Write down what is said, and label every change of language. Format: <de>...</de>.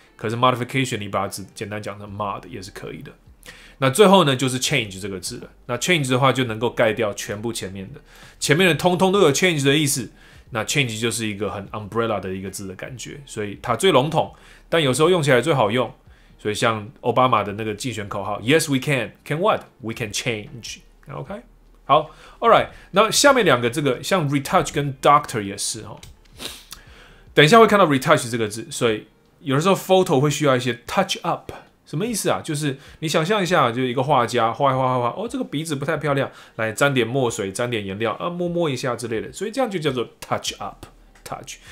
<zh>可是 modification 你把它只简单讲成 mod 也是可以的。那最后呢就是 change 这个字了。那 change 的话就能够盖掉全部前面的，前面的通通都有 change 的意思。那 change 就是一个很 umbrella 的一个字的感觉，所以它最笼统，但有时候用起来最好用。所以像 Obama 的那个竞选口号 ，</zh> <en>Yes we can， can what？ We can change。</en> <zh>OK， 好 ，</zh> <en>All right。</en> <zh>那下面两个这个像 retouch 跟 doctor 也是哦。等一下会看到 retouch 这个字，所以。有的时候 photo 会需要一些 touch up， 什么意思啊？就是你想象一下，就一个画家画一画画画，哦，这个鼻子不太漂亮，来沾点墨水，沾点颜料，摸摸一下之类的，所以这样就叫做 touch up， touch。</zh>